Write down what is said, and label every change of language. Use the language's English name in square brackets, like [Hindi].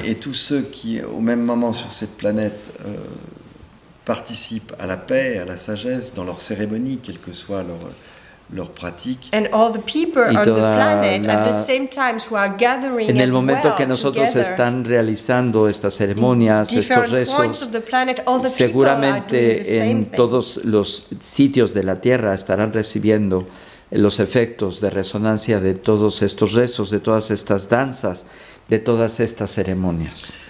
[French] Et tous ceux qui, au même moment sur cette planète, participent à la paix, à la sagesse, dans leur cérémonie, quelle que soit leur pratique. [English] And all the people on the planet at the same time who are gathering as well. [Spanish] En el momento que nosotros están realizando estas ceremonias, estos rezos, seguramente en todos los sitios de la Tierra estarán recibiendo los efectos de resonancia de todos estos rezos, de todas estas danzas, de todas estas ceremonias.